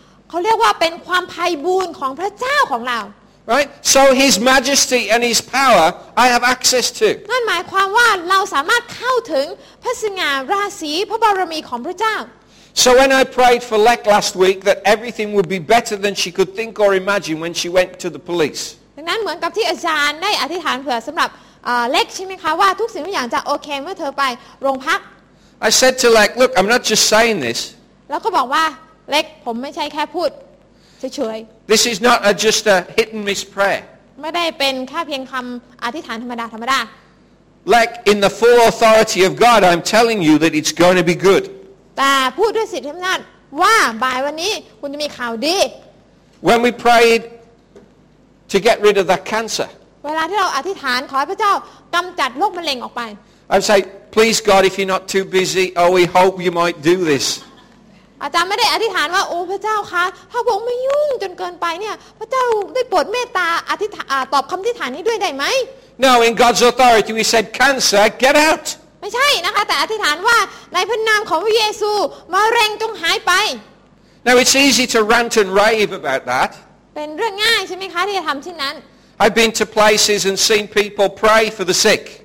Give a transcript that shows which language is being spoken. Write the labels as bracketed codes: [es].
[th] เขาเรียกว่าเป็นความไพบูลย์ของพระเจ้าของเรา [en] Right? So His majesty and His power I have access to. [th] นั่นหมายความว่าเราสามารถเข้าถึงพระสง่าราศีพระบารมีของพระเจ้า [en] So when I prayed for Lek last week that everything would be better than she could think or imagine when she went to the police. [th] ดังนั้นเหมือนกับที่อาจารย์ได้อธิษฐานเผื่อสำหรับเล็กใช่ไหมคะว่าทุกสิ่งทุกอย่างจะโอเคเมื่อเธอไปโรงพัก [en] I said to Lek, look, I'm not just saying this. [th] แล้วก็บอกว่าเล็กผมไม่ใช่แค่พูดเฉย [en] ๆ This is not just a hit and miss prayer. [th] ไม่ได้เป็นแค่เพียงคำอธิษฐานธรรมดาธรรมดา [en] Lek, in the full authority of God, I'm telling you that it's going to be good. [th] แต่พูดด้วยสิทธิอำนาจว่าบ่ายวันนี้คุณจะมีข่าวดี [en] When we prayed to get rid of that cancer [th] เวลาที่เราอธิษฐานขอให้พระเจ้ากำจัดโรคมะเร็งออกไป [en] I'd say please God if you're not too busy oh we hope you might do this [th] อาจารย์ไม่ได้อธิษฐานว่าโอ้พระเจ้าคะถ้าผมไม่ยุ่งจนเกินไปเนี่ยพระเจ้าได้โปรดเมตตาอธิษฐานตอบคำอธิษฐานนี้ด้วยได้ไหม [en] No in God's authority we said cancer get out [th] ไม่ใช่นะคะแต่อธิษฐานว่าในพระนามของพระเยซูมะเร็งต้องหายไป [en] Now it's easy to rant and rave about that [th] เป็นเรื่องง่ายใช่ไหมคะที่จะทำเช่นนั้น [en] I've been to places and seen people pray for the sick